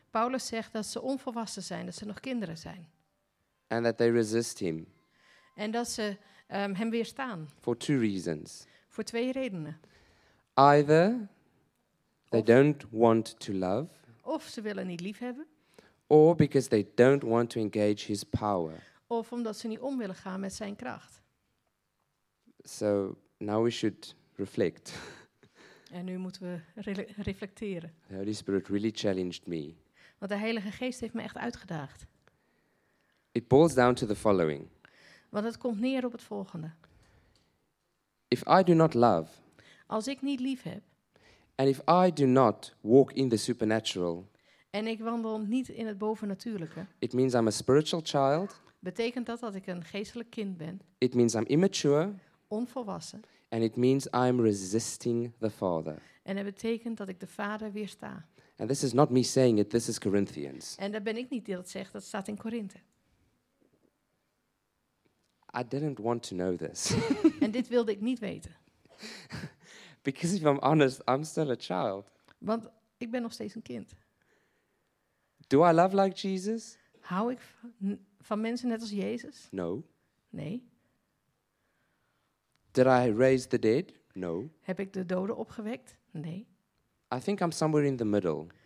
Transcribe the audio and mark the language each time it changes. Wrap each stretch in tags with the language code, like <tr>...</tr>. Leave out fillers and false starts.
<nl>Paulus zegt dat ze onvolwassen zijn, dat ze nog kinderen zijn.</nl> <en>And that they resist him.</en> <nl>En dat ze hem weerstaan.</nl> <en>For two reasons.</en> <nl>Voor twee redenen.</nl> <en>Either they don't want to love.</en> <nl>Of ze willen niet lief hebben.</nl> <en>Or because they don't want to engage his power.</en> <nl>Of omdat ze niet om willen gaan met zijn kracht.</nl> <en>So now we should reflect.</en> <nl>En nu moeten we reflecteren.</nl> <en>The Holy Spirit really challenged me.</en> <nl>Want de Heilige Geest heeft me echt uitgedaagd.</nl> <en>It boils down to the following.</en> <nl>Want het komt neer op het volgende.</nl> <en>If I do not love.</en> <nl>Als ik niet lief heb.</nl> <en>And if I do not walk in the supernatural.</en> <nl>En ik wandel niet in het bovennatuurlijke.</nl> <en>It means I'm a spiritual child.</en> <nl>Betekent dat ik een geestelijk kind ben.</nl> <en>It means I'm immature.</en> <nl>Onvolwassen.</nl> <en>And it means I'm resisting the Father.</en> <nl>En het betekent dat ik de Vader weersta.</nl> <en>And this is not me saying it, this is Corinthians.</en> <nl>En dat ben ik niet die dat zegt, dat staat in Korinthe.</nl> <en>I didn't want to know this.</en> <nl>En dit wilde ik niet weten.</nl> <en>Because if I'm honest, I'm still a child.</en> <nl>Want ik ben nog steeds een kind.</nl> <en>Do I love like Jesus?</en> <nl>Hou ik van mensen net als Jezus?</nl> <en>No.</en> <nl>Nee.</nl> <en>Did I raise the dead? No.</en> <nl>Heb ik de doden opgewekt? Nee.</nl> <en>I think I'm somewhere in the middle.</en>